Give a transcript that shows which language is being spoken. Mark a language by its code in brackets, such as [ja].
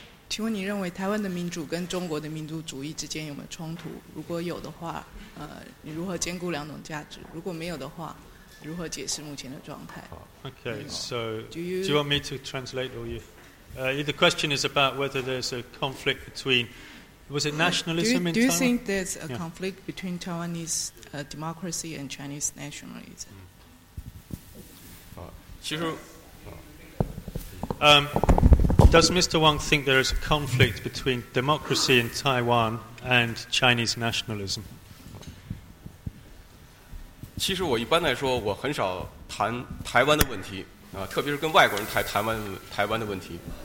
[zh] 请问你认为台湾的民主跟中国的民族主义之间有没有冲突？如果有的话，你如何兼顾两种价值？如果没有的话，如何解释目前的状态 [en] ？Okay, so do you want me to translate or you? The question is about whether there's a conflict between Was it nationalism in Do you think there's a conflict between Taiwanese democracy and Chinese nationalism? Does Mr. Wang think there is a conflict between democracy in Taiwan and Chinese nationalism? [zh] 其实我一般来说我很少谈台湾的问题，特别是跟外国人谈台湾的问题。